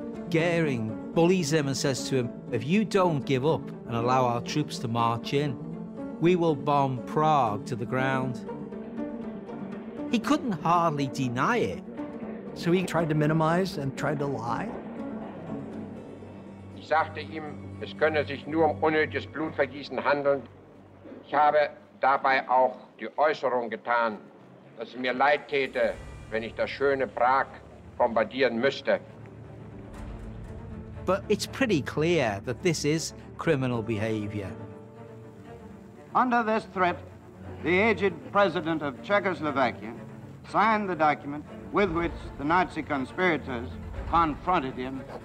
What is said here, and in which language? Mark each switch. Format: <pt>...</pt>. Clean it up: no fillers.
<en>Goering bullies him and says to him, if you don't give up and allow our troops to march in, we will bomb Prague to the ground. He couldn't hardly deny it. So he tried to minimize and tried to lie?</en> <de>Ich sagte ihm, es könne sich nur um unnötiges Blutvergießen handeln. Ich habe dabei auch die Äußerung getan, dass es mir leid täte, wenn ich das schöne Prag bombardieren müsste.</de> <en>But it's pretty clear that this is criminal behavior. Under this threat, the aged president of Czechoslovakia signed the document with which the Nazi conspirators confronted him.</en>